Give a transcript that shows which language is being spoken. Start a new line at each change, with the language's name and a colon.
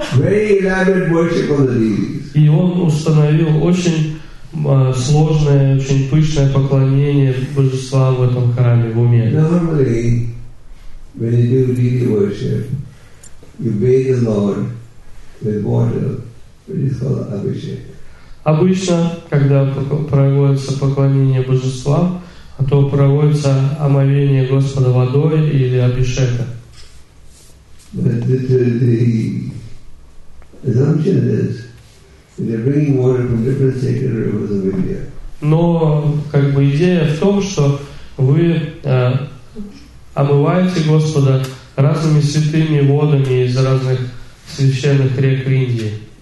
Russian: И он установил очень сложное, очень пышное поклонение божества в этом храме, в уме.
English: When you do deity worship, you bathe the Lord with water, which is called abhishek.
Russian: Обычно, когда проводится поклонение божества, то проводится омовение Господа водой или абишека.
English: But the assumption is that you're bringing water from different sacred rivers of India.
Russian: Но как бы идея в том, что вы омываете Господа разными святыми водами из разных священных рек Индии.